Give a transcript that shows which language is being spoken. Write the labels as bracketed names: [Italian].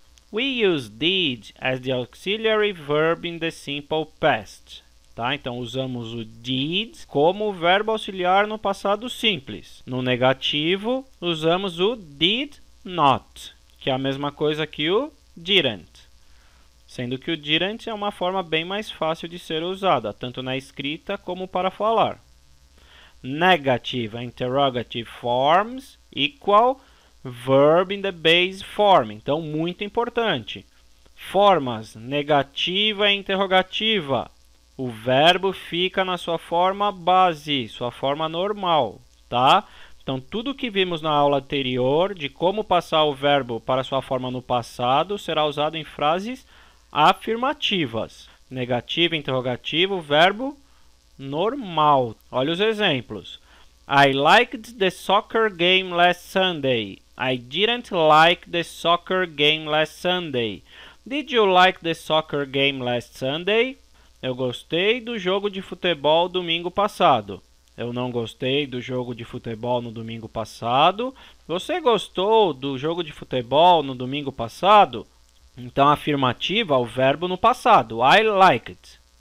[English] We use did as the auxiliary verb in the simple past. [Portuguese] Tá? Então, usamos o did como verbo auxiliar no passado simples. No negativo, usamos o did not, que é a mesma coisa que o didn't. Sendo que o didn't é uma forma bem mais fácil de ser usada, tanto na escrita como para falar. [English] Negative, interrogative forms equal verb in the base form. [Portuguese] Então, muito importante. Formas, negativa e interrogativa. O verbo fica na sua forma base, sua forma normal, tá? Então, tudo que vimos na aula anterior de como passar o verbo para sua forma no passado será usado em frases afirmativas. Negativa, interrogativa, o verbo normal. Olha os exemplos. [English] I liked the soccer game last Sunday. I didn't like the soccer game last Sunday. Did you like the soccer game last Sunday? [Portuguese] Eu gostei do jogo de futebol domingo passado. Eu não gostei do jogo de futebol no domingo passado. Você gostou do jogo de futebol no domingo passado? Então, afirmativa, o verbo no passado. [English] I liked.